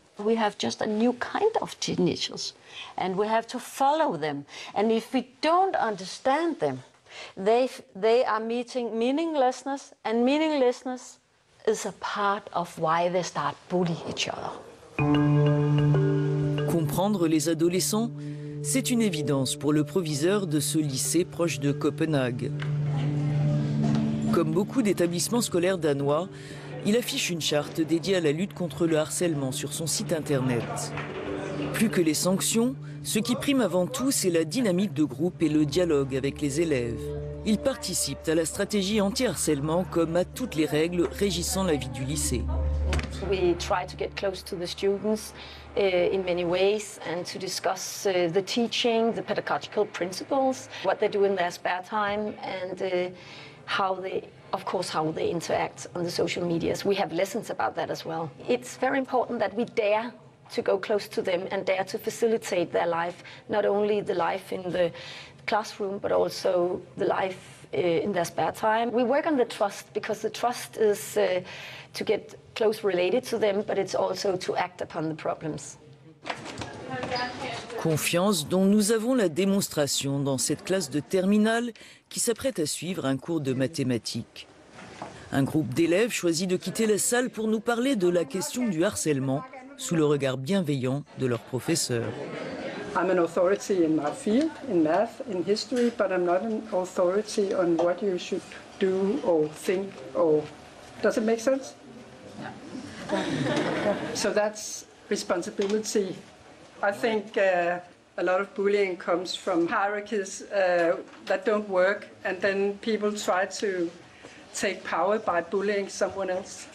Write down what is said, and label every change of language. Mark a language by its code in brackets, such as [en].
[en] We have just a new kind of teenagers and we have to follow them. And if we don't understand them, they are meeting meaninglessness, and meaninglessness is a part of why they start bullying each other. [fr] Comprendre les adolescents, c'est une évidence pour le proviseur de ce lycée proche de Copenhague. Comme beaucoup d'établissements scolaires danois, il affiche une charte dédiée à la lutte contre le harcèlement sur son site internet. Plus que les sanctions, ce qui prime avant tout, c'est la dynamique de groupe et le dialogue avec les élèves. Ils participent à la stratégie anti-harcèlement comme à toutes les règles régissant la vie du lycée. [en] We try to get close to the students in many ways and to discuss the teaching, the pedagogical principles, what they do in their spare time and how they, of course, how they interact on the social medias. We have lessons about that as well. It's very important that we dare to go close to them and dare to facilitate their life, not only the life in the classroom, but also the life in their spare time. We work on the trust because the trust is to get close related to them, but it's also to act upon the problems. [fr] Confiance dont nous avons la démonstration dans cette classe de terminale qui s'apprête à suivre un cours de mathématiques. Un groupe d'élèves choisit de quitter la salle pour nous parler de la question du harcèlement sous le regard bienveillant de leur professeur. [en] I'm an authority in my field, in math, in history, but I'm not an authority on what you should do or think or... Does it make sense? Yeah. So that's responsibility. I think a lot of bullying comes from hierarchies that don't work, and then people try to take power by bullying someone else.